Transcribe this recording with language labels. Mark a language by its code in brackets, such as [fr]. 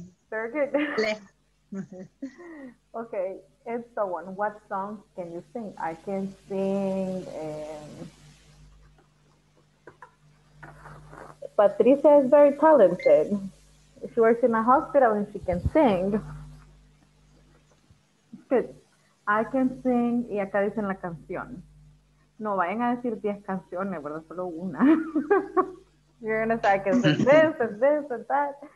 [en] Very good. Okay, and so on. What songs can you sing? I can sing Patricia is very talented. She works in a hospital and she can sing. Good. I can sing, [es] y acá dicen la canción. No, vayan a decir 10 canciones, ¿verdad? Solo una. [en] You're gonna say, I can sing this and this and that.